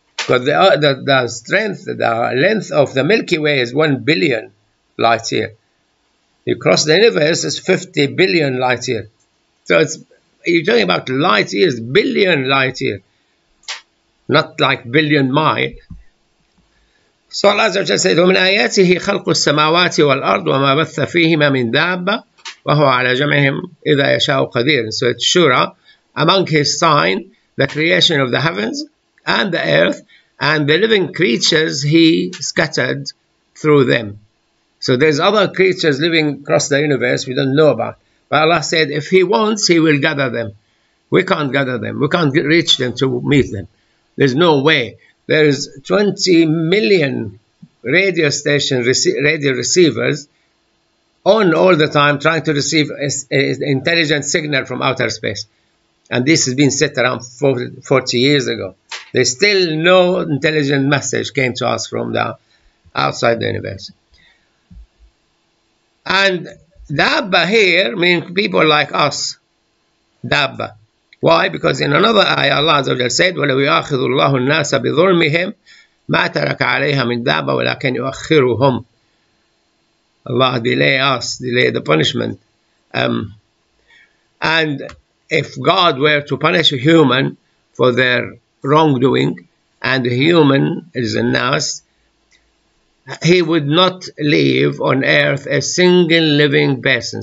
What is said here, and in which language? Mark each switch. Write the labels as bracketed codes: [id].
[en] Because the strength, the length of the Milky Way is 1 billion light year. You cross the universe, it's 50 billion light year. So you're talking about light years, billion light year, not like billion mile. So Allah said, [ar] وَمِنْ آيَاتِهِ خَلْقُ السَّمَاوَاتِ وَالْأَرْضِ وَمَا بَثَّ فِيهِمَا مِنْ دَابَّةٍ وَهُوَ عَلَى جَمْعِهِمْ إِذَا يَشَاءُ قَدِيرٌ. [en] So it's Shura, among his sign, the creation of the heavens and the earth, and the living creatures he scattered through them. So there's other creatures living across the universe we don't know about. But Allah said, if he wants, he will gather them. We can't gather them. We can't reach them to meet them. There's no way. There's 20 million radio station radio receivers on all the time trying to receive an intelligent signal from outer space. And this has been set around 40 years ago. There's still no intelligent message came to us from the outside the universe. And Dabba here means people like us. Dabba. Why? Because in another ayah, Allah Azza wa Jalla said, [ar] وَلَوْ يَأْخِذُ اللَّهُ النَّاسَ بِظُلْمِهِمْ مَا تَرَكَ عَلَيْهَا مِنْ دَابَّةٍ وَلَكِنْ يُؤَخِّرُهُمْ. [en] Allah delay us, delay the punishment. And if God were to punish a human for their wrongdoing, and a human is a nas, he would not leave on earth a single living person.